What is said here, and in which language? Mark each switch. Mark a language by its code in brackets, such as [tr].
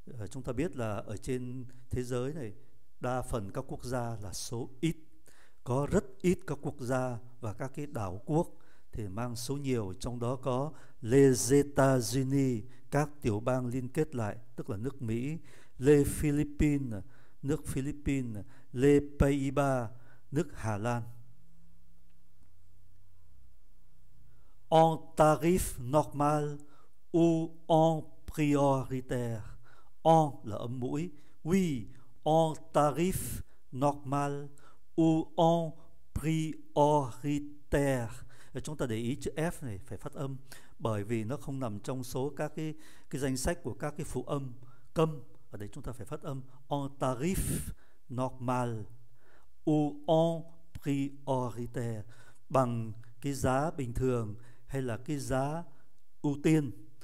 [vi] Chúng ta biết là ở trên thế giới này, đa phần các quốc gia là số ít, có rất ít các quốc gia và các cái đảo quốc thì mang số nhiều, trong đó có les États-Unis, các tiểu bang liên kết lại, tức là nước Mỹ, les Philippines, nước Philippines, les Pays-Bas, nước Hà Lan. [fr] En tarif normal ou en prioritaire? En [vi] là âm mũi. [fr] Oui, en tarif normal ou en prioritaire? [vi] Chúng ta để ý chữ F này phải phát âm, bởi vì nó không nằm trong số các cái danh sách của các cái phụ âm câm. Ở đây chúng ta phải phát âm [fr] en tarif normal ou en prioritaire, [vi] bằng cái giá bình thường hay là cái giá ưu tiên.